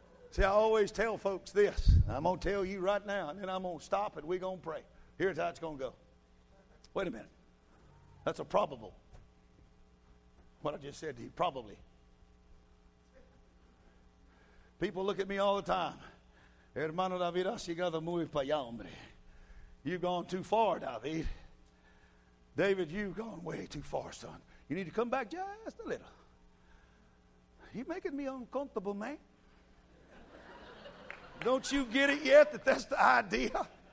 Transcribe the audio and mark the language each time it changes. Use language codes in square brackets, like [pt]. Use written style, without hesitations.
[en] See, I always tell folks this. I'm going to tell you right now, and then I'm going to stop and we're going to pray. Here's how it's going to go. Wait a minute. That's a probable. What I just said to you, probably. People look at me all the time. [es] Hermano David, has llegado muy para allá, hombre. [en] You've gone too far, David. David, you've gone way too far, son. You need to come back just a little. You're making me uncomfortable, man. Don't you get it yet that that's the idea?